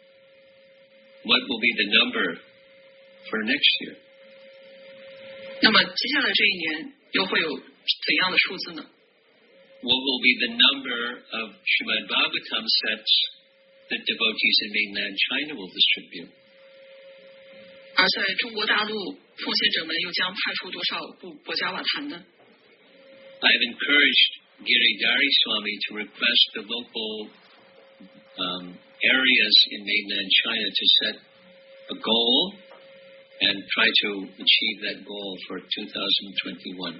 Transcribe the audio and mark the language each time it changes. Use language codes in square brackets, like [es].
[zh] 那就在2020年，预估就是粗略的估算，大约有25,000套博迦瓦坛被派发到全世界。 [en] What will be the number for next year? [zh] 那么接下来这一年又会有怎样的数字呢？ [en] What will be the number of Srimad Bhagavatam sets that devotees in mainland China will distribute? [zh] 而在中国大陆，奉献者们又将派出多少部国家瓦坛呢？ [en] I have encouraged Giridhari Swami to request the local areas in mainland China to set a goal and try to achieve that goal for 2021.